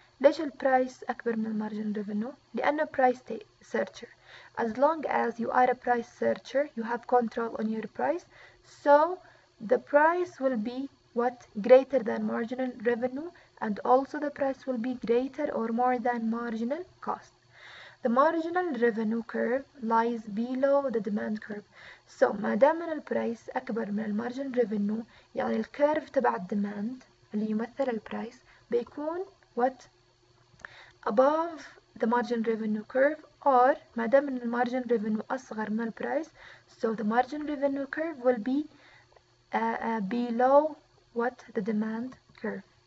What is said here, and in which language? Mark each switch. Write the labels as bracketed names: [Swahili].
[Arabic] ليش البرايس أكبر من المارجنال ريفينو؟ لأنه برايس سيرشر. [English] As long as you are a price searcher, you have control on your price, so the price will be what greater than marginal revenue, and also the price will be greater or more than marginal cost. The marginal revenue curve lies below the demand curve. [Arabic] So ما دام البرايس أكبر من المارجنال ريفينو, يعني الكيرف تبع الديماند اللي يمثل البرايس بيكون [English] what above the margin revenue curve, [Arabic] or ما دام ان المارجن ريفينو اصغر من البرايس, [English] so the margin revenue curve will be below what the demand curve.